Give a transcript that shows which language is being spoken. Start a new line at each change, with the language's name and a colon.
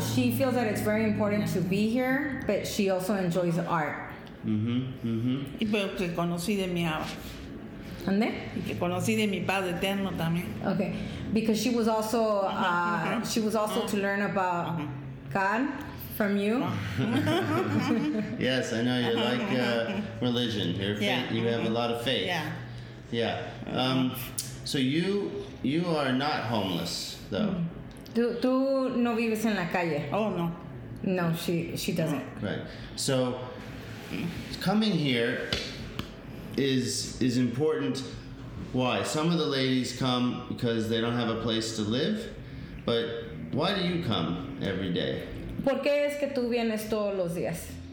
English: She feels that it's very important to be here, but she also enjoys art. Mm-hmm.
Spanish: Y porque conocí de mi abuelo. ¿Dónde? Y que conocí de mi padre eterno también.
English: Okay. Because she was also to learn about God from you. Yes, I know you like religion. Your faith, you have a lot of faith. Yeah. Yeah. So you are not homeless though. Mm-hmm.
Spanish: Tú no vives en la calle.
English: Oh, no. No, she doesn't. Right. So, coming here is important. Why? Some of the ladies come because they don't have a place to live, but why do you come every day?
Spanish: ¿Por qué es que tú vienes todos los días?